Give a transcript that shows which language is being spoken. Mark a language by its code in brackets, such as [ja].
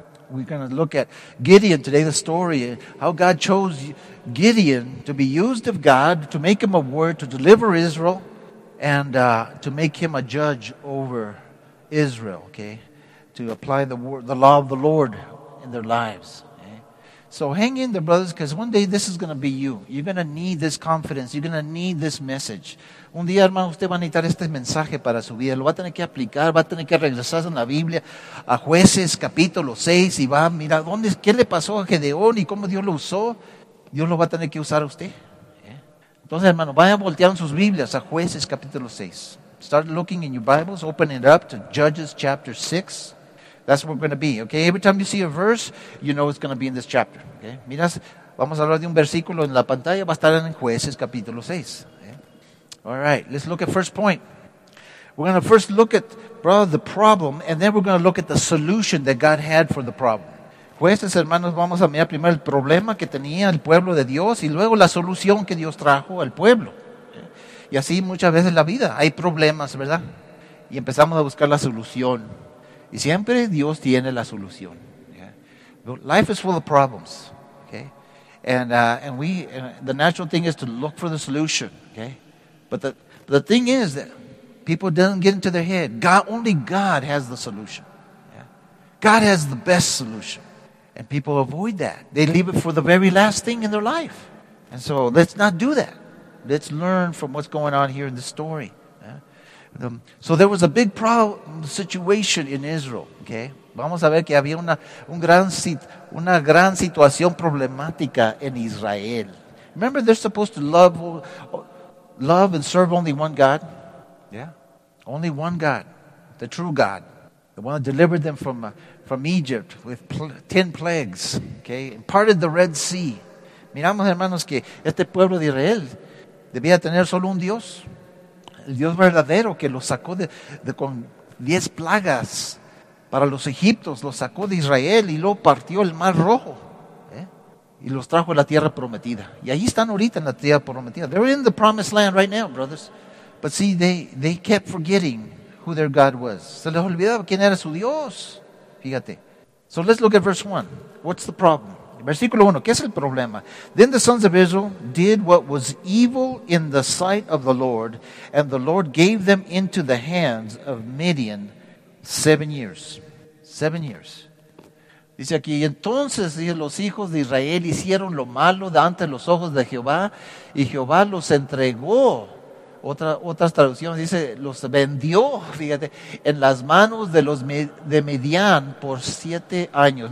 [en] We're going to look at Gideon today, the story, how God chose Gideon to be used of God, to make him a word, to deliver Israel, and to make him a judge over Israel, okay? To apply the law of the Lord in their lives. Okay? So hang in there, brothers, because one day this is going to be you. You're going to need this confidence. You're going to need this message. [es] Un día, hermano, usted va a necesitar este mensaje para su vida. Lo va a tener que aplicar, va a tener que regresar en la Biblia a Jueces capítulo 6 y va a mirar dónde, qué le pasó a Gedeón y cómo Dios lo usó. Dios lo va a tener que usar a usted. [en] Okay? [es] Entonces, hermano, vaya a voltear en sus Biblias a Jueces capítulo 6. [en] Start looking in your Bibles. Open it up to Judges chapter 6. That's what we're going to be, okay? Every time you see a verse, you know it's going to be in this chapter, okay? [es] Miras, vamos a hablar de un versículo en la pantalla, va a estar en Jueces capítulo 6, okay? [en] All right, let's look at first point. We're going to first look at, brother, the problem, and then we're going to look at the solution that God had for the problem. [es] Jueces, hermanos, vamos a mirar primero el problema que tenía el pueblo de Dios y luego la solución que Dios trajo al pueblo. [en] Okay? [es] Y así muchas veces en la vida hay problemas, ¿verdad? Y empezamos a buscar la solución. Y siempre Dios tiene la solución. [en] Yeah. Life is full of problems, okay? The natural thing is to look for the solution, okay? But the thing is that people don't get into their head. Only God has the solution. Yeah. God has the best solution, and people avoid that. They leave it for the very last thing in their life. And so let's not do that. Let's learn from what's going on here in the story. So there was a big problem situation in Israel. [es] Okay, vamos a ver que había una gran situación problemática en Israel. [en] Remember, they're supposed to love and serve only one God. Yeah, only one God, the true God, the one that delivered them from Egypt with 10 plagues. Okay, and parted the Red Sea. [es] Miramos, hermanos, que este pueblo de Israel debía tener solo un Dios. El Dios verdadero que los sacó de con 10 plagas para los egipcios, los sacó de Israel y luego partió el Mar Rojo, ¿eh? Y los trajo a la Tierra Prometida. Y ahí están ahorita en la Tierra Prometida. [en] They're in the Promised Land right now, brothers. But see, they kept forgetting who their God was. [es] Se les olvidaba quién era su Dios. Fíjate. [en] So let's look at verse 1. What's the problem? [es] Versículo 1. ¿Qué es el problema? [en] Then the sons of Israel did what was evil in the sight of the Lord, and the Lord gave them into the hands of Midian 7 years. 7 years. [es] Dice aquí, entonces los hijos de Israel hicieron lo malo ante los ojos de Jehová, y Jehová los entregó. Otras traducciones dice, los vendió, fíjate, en las manos de los de Midian por 7 años.